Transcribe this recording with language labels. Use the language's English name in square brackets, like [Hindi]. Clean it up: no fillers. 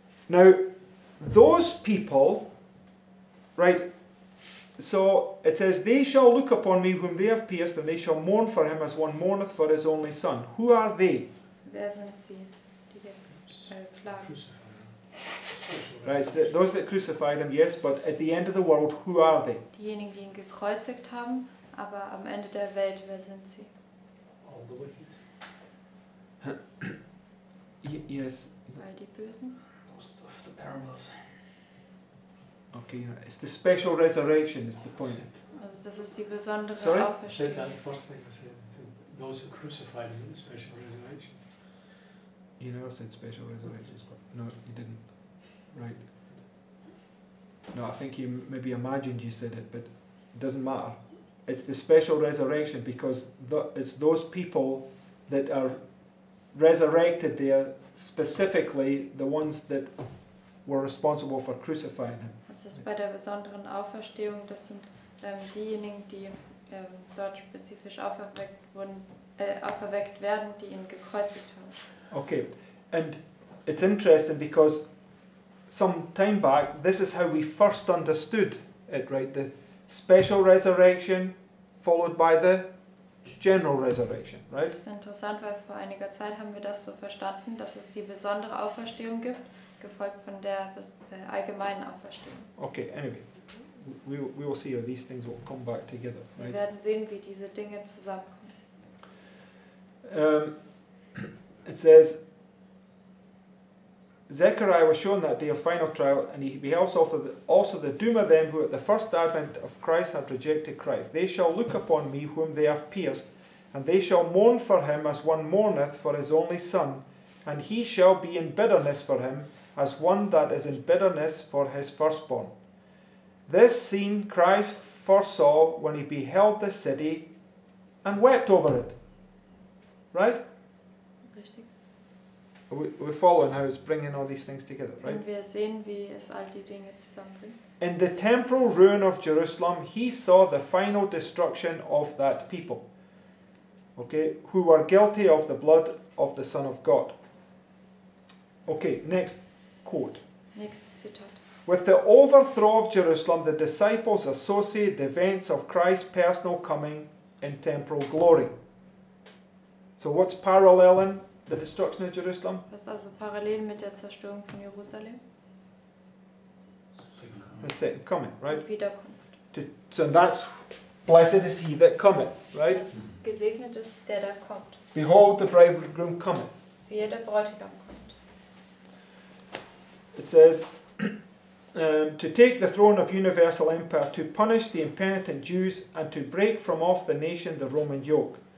[English] Now, those people, right, so it says, "They shall look upon me whom they have pierced, and they shall mourn for him as one mourneth for his only son." Who are they? [German] Wer sind sie, die geklagt? [English] Right, so those that crucified him, yes, but at the end of the world, who are they? [German] Diejenigen, die ihn gekreuzigt haben, aber am Ende der Welt, wer sind sie? [English] Yes. Most of the parables. Okay, it's the special resurrection is the point. [German] Also, das ist die besondere [English] Sorry? [German] Auferstehung. [English] I said that the first thing. I said those who crucified him in the special resurrection. You never said special resurrection. No, you didn't. Right. No, I think you maybe imagined you said it, but it doesn't matter. It's the special resurrection because it's those people that are resurrected there, specifically the ones that were responsible for crucifying him. [German] Das ist bei der besonderen Auferstehung, das sind diejenigen, die dort spezifisch auferweckt wurden, auferweckt werden, die ihn gekreuzigt haben. [English] Okay, and it's interesting because some time back, this is how we first understood it, right? The special resurrection followed by the general resurrection, right? [German] Das ist interessant, weil vor einiger Zeit haben wir das so verstanden, dass es die besondere Auferstehung gibt, gefolgt von der allgemeinen Auferstehung. [English] Okay, anyway, we will see how these things will come back together. Right? [German] Wir werden sehen, wie diese Dinge zusammenkommen. [English] It says, Zechariah was shown that day of final trial, and he beheld also the doom of them who at the first advent of Christ had rejected Christ. They shall look upon me whom they have pierced, and they shall mourn for him as one mourneth for his only son, and he shall be in bitterness for him as one that is in bitterness for his firstborn. This scene Christ foresaw when he beheld the city and wept over it. Right? We're following how it's bringing all these things together, right? [German] Wir sehen, wie es all die Dinge zusammenbringt. [English] In the temporal ruin of Jerusalem, he saw the final destruction of that people, okay, who were guilty of the blood of the Son of God. Okay, next quote. [German] Next Zitat. [English] With the overthrow of Jerusalem, the disciples associate the events of Christ's personal coming in temporal glory. So what's paralleling the destruction of Jerusalem? [German] Was ist also parallel mit der Zerstörung von Jerusalem? [English] The second coming, right? [German] Die Wiederkunft. [English] So that's blessed is he that cometh, right? [German] Das ist gesegnet ist der, der kommt. [English] Behold, the bridegroom cometh. [German] Siehe, der Bräutigam kommt. [English] It says, to take the throne of universal empire, to punish the impenitent Jews, and to break from off the nation the Roman yoke.